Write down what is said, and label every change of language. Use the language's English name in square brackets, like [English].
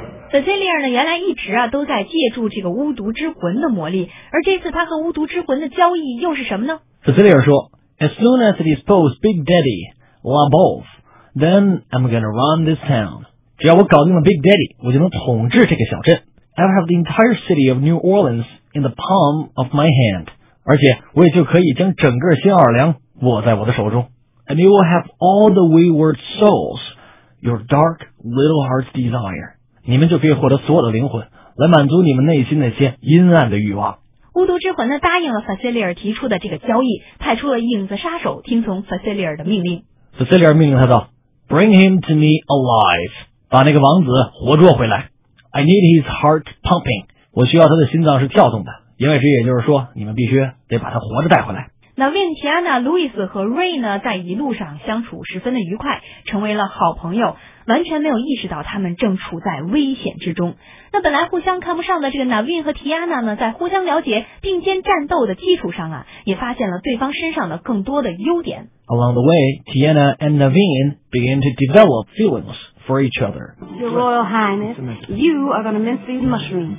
[Chinese] Facilia 呢原来一直啊都在借助这个巫毒之魂的魔力，而这次他和巫毒之魂的交易又是什么呢？ [English] Facilia [Chinese] 说， [English] As soon as it is post Big Daddy LaBeouf, then I'm gonna run this town. [Chinese] 只要我搞定了 Big Daddy, 我就能统治这个小镇。 [English] I'll have the entire city of New Orleans in the palm of my hand. [Chinese] 而且我也就可以将整个新奥尔良握在我的手中。 [English] And you will have all the wayward souls your dark little hearts desire. [Chinese] 你们就可以获得所有的灵魂，来满足你们内心那些阴暗的欲望。巫毒之魂呢答应了 Facilia 提出的这个交易，派出了影子杀手听从 Facilia 的命令。 Facilia 命令他道， [English] Bring him to me alive. [Chinese] 把那个王子活捉回来。 [English] I need his heart pumping. [Chinese] 我需要他的心脏是跳动的。言外之意也就是说，你们必须得把他活着带回来。那 Win、Tiana、Louis 和 Ray 呢在一路上相处十分的愉快，成为了好朋友，完全没有意识到他们正处在危险之中。那本来互相看不上的这个 Navin 和 Tiana 呢，在互相了解并肩战斗的基础上啊，也发现了对方身上的更多的优点。 [English] Along the way, Tiana and Navin begin to develop feelings for each other. Your Royal Highness, you are going to mince these mushrooms.